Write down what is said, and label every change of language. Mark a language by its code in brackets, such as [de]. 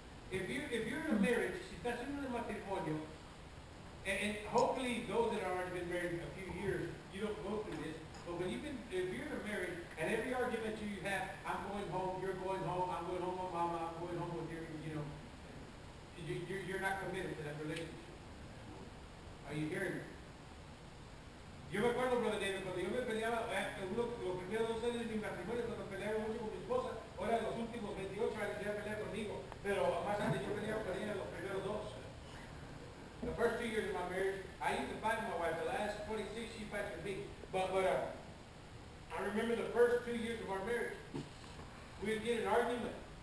[en] If you're in a marriage, [es] si estás en un matrimonio, [en] and hopefully those that have already been married a few years, you don't go through this, but if you're married, and every argument you have, I'm going home, you're going home, I'm going home with mama, I'm going home with your, you're not committed to that relationship. Are you hearing me? [es] Yo me acuerdo, Brother David, cuando yo me peleaba, los primeros 12 años de mi matrimonio, cuando peleaba mucho con mi esposa, ahora los últimos 28 años ya peleaba conmigo, pero más antes yo peleaba con ella los primeros dos. [en] The first 2 years of my marriage, I used to fight my wife. The last 46, she fights with me. But I remember the first 2 years of our marriage, we would get an argument.